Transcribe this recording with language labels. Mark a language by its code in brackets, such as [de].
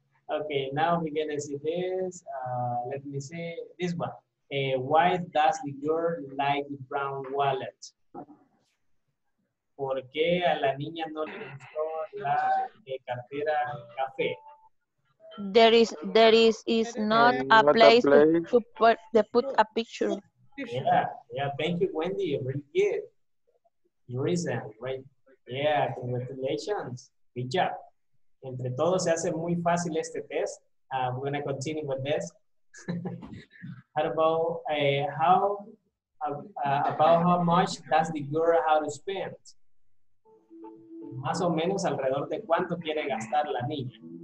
[en] Okay, now we're gonna see this. Let me see this one. Why does the girl like the brown wallet? [es] ¿Por qué a la niña no le gustó la cartera café? [en] There is not a place to put a picture. Yeah, thank you, Wendy. Really good. Reason, right? Yeah, congratulations. Good job. [es] Entre todos se hace muy fácil este test. [en] We're going to continue with this. How much does the girl how to spend? [es] Más o menos alrededor de cuánto quiere gastar la niña.